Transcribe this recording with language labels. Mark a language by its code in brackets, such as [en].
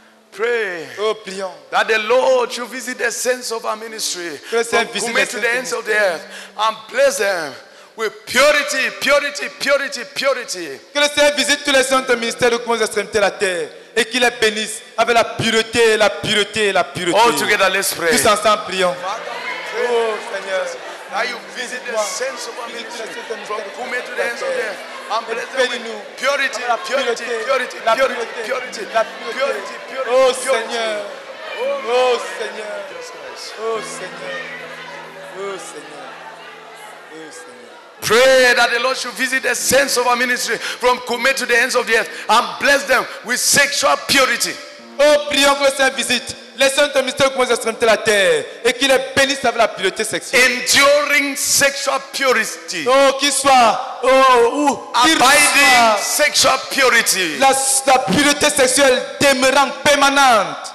[en] Pray that the Lord should visit the saints of our ministry from Kume to the ends of the earth and bless them with purity, purity, purity, purity. [fr] Que le Seigneur visite tous les saints de ministère de Kume aux extrémités de la terre et qu'il les bénisse avec la pureté, la pureté, la pureté. [en] All together, let's pray. [fr] Tous ensemble, prions. Oh Seigneur, [en] that you visit the saints of our ministry from Kume to the ends of the earth. I'm blessed with purity, purity, purity, purity, purity, purity, purity, purity. [fr] Oh Seigneur, oh Seigneur, oh Seigneur, oh Seigneur. [en] Pray that the Lord should visit the saints of our ministry from Kume to the ends of the earth and bless them with sexual purity. [fr] Oh, prions que le Seigneur visite les saints de ministère aux extrémités de la terre et qu'il les bénisse avec la pureté sexuelle. [en] Enduring sexual purity. [fr] Oh, qu'il soit. Oh, ouh, [en] abiding sexual purity. [fr] La pureté sexuelle demeurant permanente.